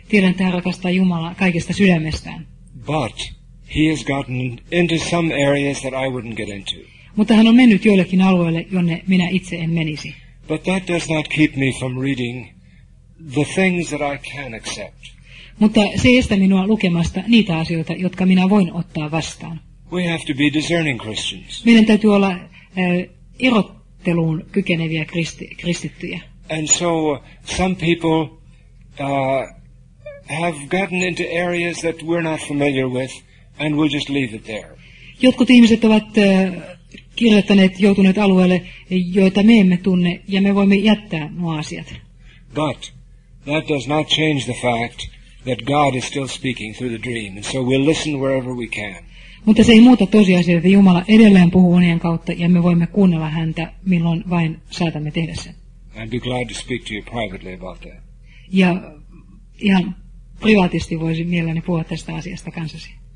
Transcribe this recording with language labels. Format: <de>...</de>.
<fi>Tiedän, että hän rakastaa Jumalaa kaikesta sydämestään.</fi> <en>But he has gotten into some areas that I wouldn't get into.</en> <fi>Mutta hän on mennyt joillekin alueelle, jonne minä itse en menisi.</fi> <en>But that does not keep me from reading the things that I can accept.</en> <fi>Mutta se ei estä minua lukemasta niitä asioita, jotka minä voin ottaa vastaan.</fi> <en>We have to be discerning Christians.</en> <fi>Meidän täytyy olla erotteluun kykeneviä kristittyjä.</fi> <en>And so some people have gotten into areas that we're not familiar with, and we'll just leave it there.</en> <fi>Jotkut ihmiset ovat kirjoittaneet, joutuneet alueelle, joita me emme tunne, ja me voimme jättää nuo asiat.</fi> <en>But that does not change the fact that God is still speaking through the dream, and so we'll listen wherever we can.</en> <fi>Mutta se ei muuta tosiasia, että Jumala edelleen puhuu unien kautta, ja me voimme kuunnella häntä, milloin vain saatamme tehdä sen.</fi> <en>I'd be glad to speak to you privately about that.</en> <fi>Ja ihan privaatisti voisin mielelläni puhua tästä asiasta kanssasi.</fi>